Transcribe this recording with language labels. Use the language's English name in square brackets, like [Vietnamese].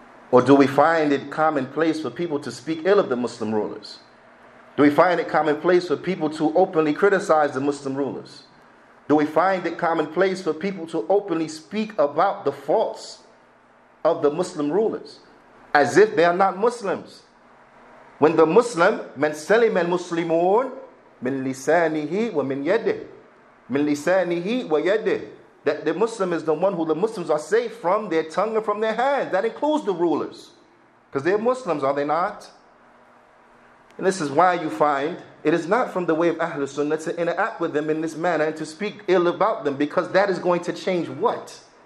[English] Or do we find it commonplace for people to speak ill of the Muslim rulers? Do we find it commonplace for people to openly criticize the Muslim rulers? Do we find it commonplace for people to openly speak about the faults of the Muslim rulers as if they are not Muslims? When the Muslim, [Arabic] من سلم المسلمون من لسانه ومن يده, من لسانه ويده. [English] That the Muslim is the one who the Muslims are safe from their tongue and from their hands. That includes the rulers. Because they're Muslims, are they not? And this is why you find it is not from the way of Ahlul Sunnah to interact with them in this manner and to speak ill about them, because that is going to change what?